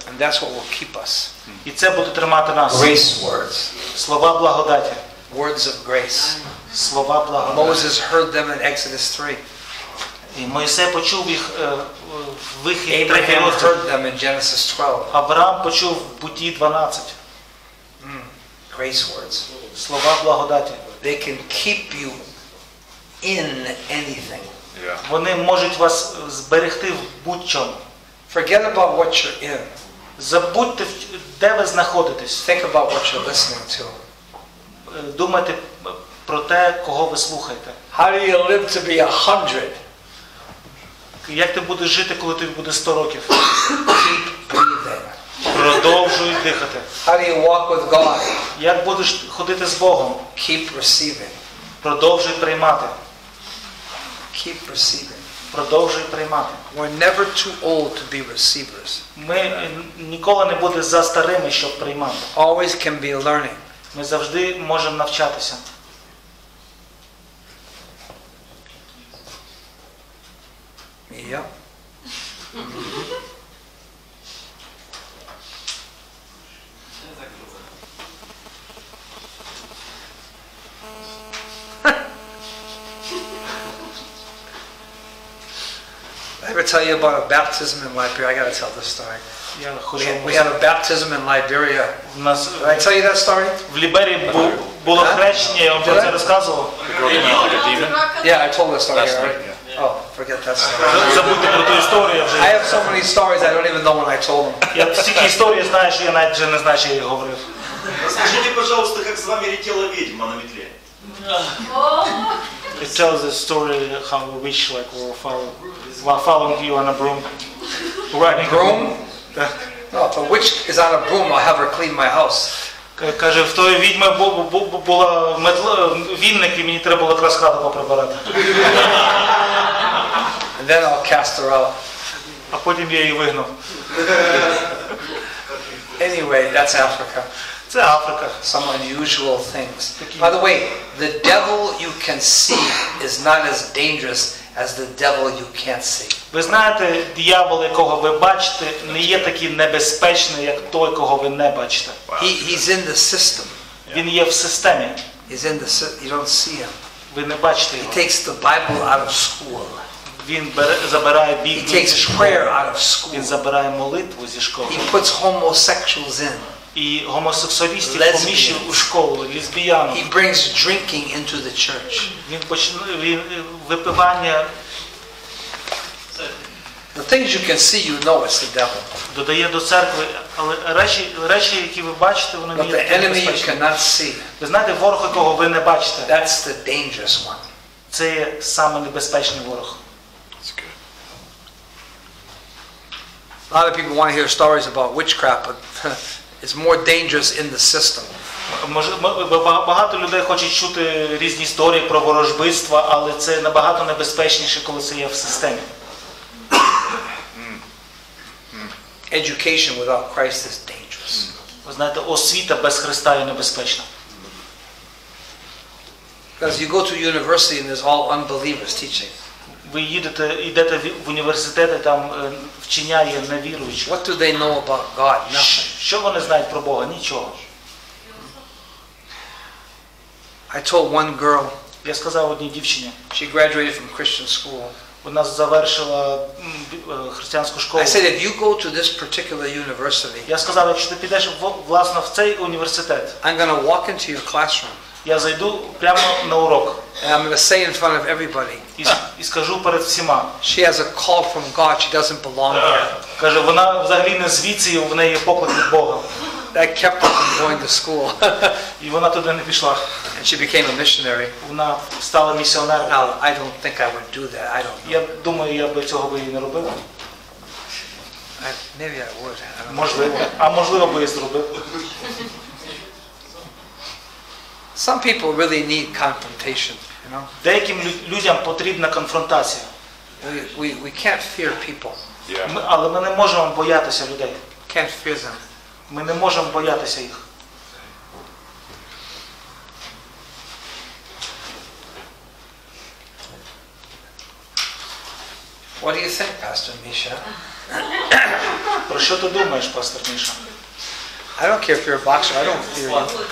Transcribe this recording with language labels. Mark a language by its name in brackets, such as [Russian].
[English] And that's what will keep us. [Ukrainian] І це буде тримати нас. [English] Grace words. [Ukrainian] Слова благодаті. [English] Words of grace. [Ukrainian] Слова благодаті. [English] Moses heard them in Exodus 3. [Ukrainian] І Мойсей почув їх в вихід 3. [English] Abraham heard them in Genesis 12. [Ukrainian] Авраам почув в Бутті 12. [English] Grace words. [Ukrainian] Слова благодаті. [English] They can keep you in anything. Yeah. [Ukrainian] Вони можуть вас зберегти в будь-чому. [English] Forget about what you're in. [Ukrainian] Забудьте, де ви знаходитесь. [English] Think about what you're listening to. [Ukrainian] Думайте про те, кого ви слухаєте. [English] How do you live to be 100? [Ukrainian] Як ти будеш жити, коли тобі буде 100 років? [English] Keep breathing. [Ukrainian] Продовжуй дихати. [English] How do you walk with God? [Ukrainian] Як будеш ходити з Богом? [English] Keep receiving. [Ukrainian] Продовжуй приймати. [English] Keep receiving. [Ukrainian] Продовжуй приймати. [English] We're never too old to be receivers. [Ukrainian] Ми ніколи не буде за старими, щоб приймати. [English] Always can be learning. [Ukrainian] Ми завжди можемо навчатися. [English] Yep. I ever tell you about a baptism in Liberia? I gotta tell this story. We had a baptism in Liberia. Did I tell you that story? [Ukrainian] В Ліберії було хрещення, я вам про це розказував. [English] Yeah, I told the story here, right? Oh, forget that story. [Ukrainian] Забудьте про ту історію вже. [English] I have so many stories I don't even know when I told them. [Ukrainian] Я стільки історій знаю, що я навіть вже не знаю, що я говорив. Скажіть, будь ласка, як з вами летіла відьма на мітлі? [English] It tells a story how a witch like while following you on a broom. Riding broom? No, if a witch is on a broom, I'll have her clean my house. [Ukrainian] Каже, в тої відьми була метла, вінник, і мені треба було трасхату поприбирати. [English] And then I'll cast her out. [Ukrainian] А потім я її вигнав. [English] Anyway, that's Africa. [Ukrainian] Це Африка. [English] Some unusual things. By the way, the devil you can see is not as dangerous as the devil you can't see. [Ukrainian] Ви знаєте, диявол, якого ви бачите, не є такий небезпечний, як той, кого ви не бачите. [English] He's in the system. [Ukrainian] Він є в системі. [English] He's in the system. You don't see him. [Ukrainian] Ви не бачите його. [English] He takes the Bible out of school. [Ukrainian] Він забирає Біблію. [English] He takes prayer out of school. [Ukrainian] Він забирає молитву зі школи. [English] He puts homosexuals in. [Ukrainian] І гомосексуалістів поміщив у школу, лесбіянам. [English] He brings drinking into the church. [Ukrainian] Він починає випивання. [English] The things you can see, you know it's the devil. [Ukrainian] Додає до церкви, але речі, які ви бачите, вони не є. [English] But the enemy you cannot see. [Ukrainian] Ви знаєте, ворога, кого ви не бачите. [English] That's the dangerous one. [Ukrainian] Це є найнебезпечніший ворог. [English] A lot of people want to hear stories about witchcraft, but it's more dangerous in the system. [Ukrainian] Багато людей хочуть чути різні історії про ворожбитство, але це набагато небезпечніше, коли це є в системі. [English] Education without Christ is dangerous. [Ukrainian] Ви знаєте, освіта без Христа є небезпечна. [English] Because you go to university and there's all unbelievers teaching. [Ukrainian] Ви йдете в університет, там вчиняє невіруючі. [English] What do they know about God? [Ukrainian] Що вони знають про Бога? Нічого. [English] I told one girl. [Ukrainian] Я сказав одній дівчині. [English] She graduated from Christian school. [Ukrainian] Вона завершила християнську школу. [English] I said, if you go to this particular university, [Ukrainian] я сказав, якщо ти підеш власне в цей університет, [English] I'm going to walk into your classroom. [Ukrainian] Я зайду прямо на урок. [English] And I'm going to say in front of everybody. [Ukrainian] І скажу перед всіма. [English] She has a call from God. She doesn't belong here. [Ukrainian] Каже, вона взагалі не звідси, в неї поклик від Бога. [English] That kept her from going to school. [Ukrainian] І вона туди не пішла. [English] And she became a missionary. [Ukrainian] Вона стала місіонером. [English] Now, I don't think I would do that. I don't know. [Ukrainian] Я думаю, я би цього би не робив. [English] Maybe I would. [Ukrainian] Можливо. А можливо би я зробив. [English] Some people really need confrontation, you know. [Ukrainian] Деяким людям потрібна конфронтація. [English] We can't fear people. Yeah. [Ukrainian] Але ми не можемо боятися людей. [English] Can't fear them. [Ukrainian] Ми не можемо боятися їх. [English] What do you think, Pastor Misha? [Ukrainian] Про що ти думаєш, пастор Миша? [English] I don't care if you're a boxer, I don't fear you.